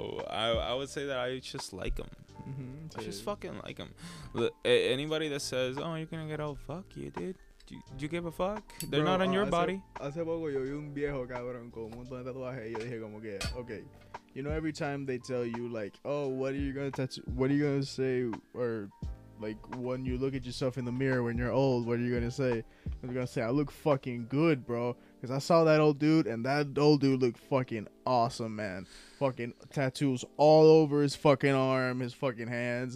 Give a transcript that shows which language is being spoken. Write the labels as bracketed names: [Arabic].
[English] I would say that I just like them. Mm-hmm, I just fucking like them. Anybody that says, oh, you're going to get old, fuck you, dude. Do you give a fuck? They're not on your body. [Spanish] Hace poco yo vi un viejo cabrón con un montón de tatuajes y yo dije como que, okay. [English] You know, every time they tell you like, oh, what are you gonna tattoo? What are you gonna say? Or like, when you look at yourself in the mirror when you're old, what are you gonna say? They're gonna say, I look fucking good, bro. Cause I saw that old dude, and that old dude looked fucking awesome, man. Fucking tattoos all over his fucking arm, his fucking hands.